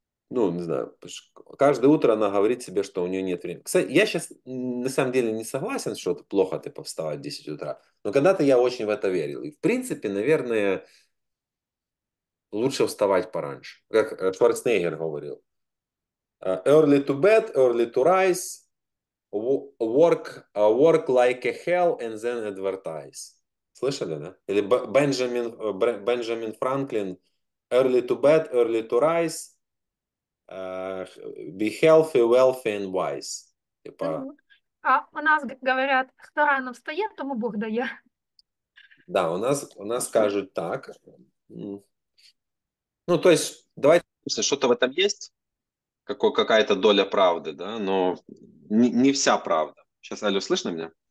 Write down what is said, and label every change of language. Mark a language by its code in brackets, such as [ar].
[ru] Ну, не знаю, каждое утро она говорит себе, что у нее нет времени. Кстати, я сейчас на самом деле не согласен, что это плохо, типа, вставать в 10 утра. Но когда-то я очень в это верил. И, в принципе, наверное, лучше вставать пораньше. Как Шварценеггер говорил. [en] Early to bed, early to rise, work like a hell and then advertise. [ru] Слышали, да? Или Бенджамин Франклин. [en] Early to bed, early to rise. Be healthy, wealthy and wise. [ru] Типа... А у нас говорят, кто рано встает, тому Бог дает. Да, у нас скажут так. Ну, то есть, давайте, что-то в этом есть, какая-то доля правды, да, но не вся правда. Сейчас, Алло, слышно меня?